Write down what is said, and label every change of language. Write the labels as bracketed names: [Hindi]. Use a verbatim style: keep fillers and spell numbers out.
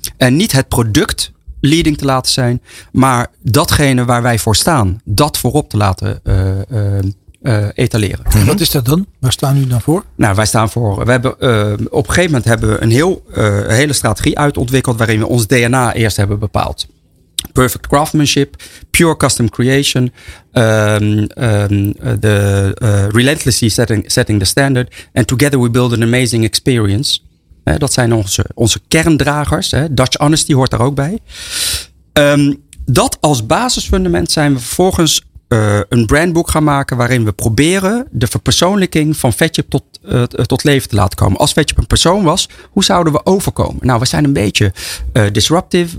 [Dutch] En niet het product leading te laten zijn, maar datgene waar wij voor staan, dat voorop te laten uh, uh, Uh, etaleren. En wat is dat dan? Waar staan jullie dan voor? Nou, wij staan voor. We hebben, uh, op een gegeven moment hebben we een heel, uh, hele strategie uitontwikkeld waarin we ons D N A eerst hebben bepaald. [English] Perfect craftsmanship, pure custom creation, um, um, the, uh, relentlessly setting, setting the standard, and together we build an amazing experience. [Dutch] Uh, dat zijn onze, onze kerndragers. Uh, Dutch honesty hoort daar ook bij. Um, dat als basisfundament zijn we vervolgens Uh, een brandboek gaan maken waarin we proberen de verpersoonlijking van Fatchip tot, uh, tot leven te laten komen. Als Fatchip een persoon was, hoe zouden we overkomen? Nou, we zijn een beetje uh, disruptive.